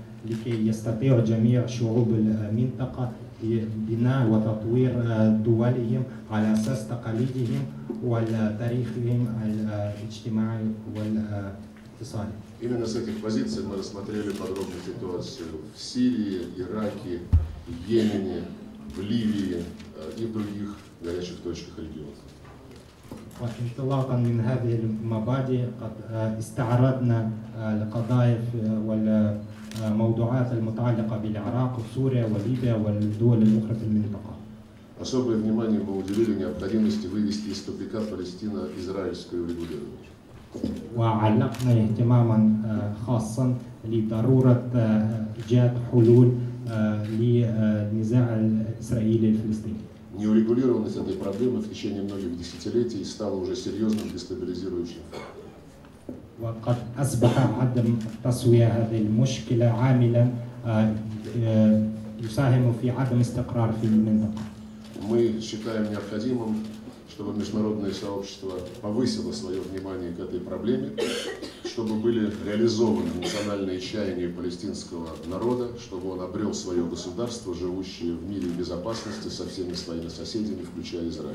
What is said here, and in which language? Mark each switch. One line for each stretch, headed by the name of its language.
Arabic: لكي يستطيع جميع شعوب المنطقة بناء وتطوير دولهم على أساس تقاليدهم وتاريخهم الاجتماعي والاقتصادي.
Russian: Именно с этих позиций мы рассмотрели подробно ситуацию в Сирии, Ираке, Йемене, в Ливии и других горячих точках регионов.
Arabic: وانطلاقا من هذه المبادئ قد استعرضنا القضايا والموضوعات المتعلقة بالعراق وسوريا وليبيا والدول الأخرى في المنطقة.
Russian: Особое внимание мы уделили необходимости вывести из тупика Палестино-Израильское урегулирование.
Arabic: وعلقنا اهتماما خاصا لضرورة إيجاد حلول للنزاع الإسرائيلي الفلسطيني.
Russian: Неурегулированность этой проблемы в течение многих десятилетий стала уже серьезным дестабилизирующим фактором. Мы считаем необходимым, чтобы международное сообщество повысило свое внимание к этой проблеме, чтобы были реализованы национальные чаяния палестинского народа, чтобы он обрел свое государство, живущее в мире и безопасности со всеми своими соседями, включая